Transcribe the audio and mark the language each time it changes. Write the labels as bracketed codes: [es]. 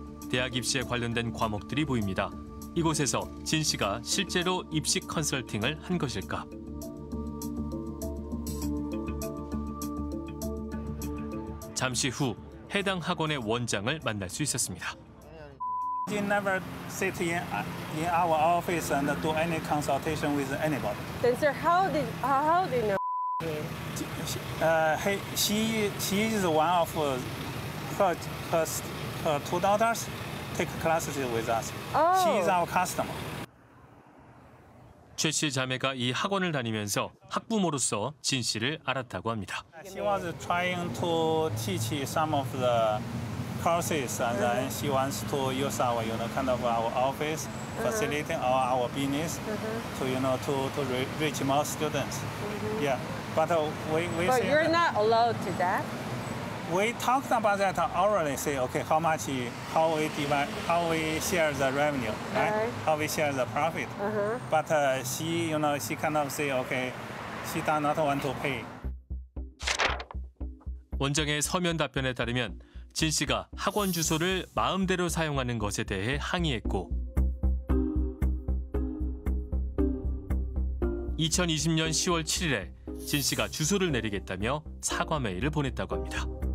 [ko] 대학 입시에 관련된 과목들이 보입니다. 이곳에서 진 씨가 실제로 입시 컨설팅을 한 것일까? 잠시 후 해당 학원의 원장을 만날 수 있었습니다. [en] He never sit in our office and do any consultation with anybody. Then sir, how did you know him? She is one of her two daughters take classes with us. Oh. She is our customer. J [ko] 최 씨 자매가 이 학원을 다니면서 학부모로서 진 씨를 알았다고 합니다. [en] She was trying to teach some of the courses and then she wants to use our, you know, kind of our office, facilitating our business to, you know, to reach more students. Yeah, but we But said, you're not allowed to that? We talked about that orally, say, okay, how much, how we divide, how we share the revenue, right? How we share the profit. But she, you know, she kind of say, okay, she does not want to pay. [ko] 원장의 서면 답변에 따르면 진 씨가 학원 주소를 마음대로 사용하는 것에 대해 항의했고 2020년 10월 7일에 진 씨가 주소를 내리겠다며 사과 메일을 보냈다고 합니다.